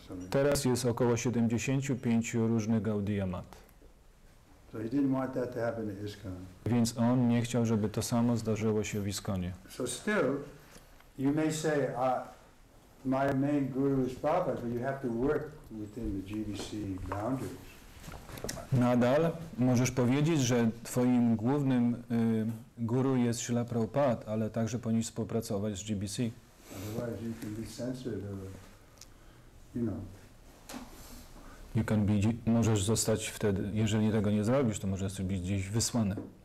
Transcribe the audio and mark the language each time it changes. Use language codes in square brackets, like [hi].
[pl] Teraz jest około 75 różnych Gaudiya Math. [en] So he didn't want that to happen to ISKCON. [pl] Więc on nie chciał, żeby to samo zdarzyło się w ISKCONie. [en] So still, you may say, my main guru is Prabhupada, but you have to work within the GVC boundaries. [pl] Nadal możesz powiedzieć, że twoim głównym guru jest Śrila Prabhupada, ale także powinieneś współpracować z GBC. [en] Otherwise you can be censored or, you know. You can be, [pl] możesz zostać wtedy, jeżeli tego nie zrobisz, to możesz być gdzieś wysłany.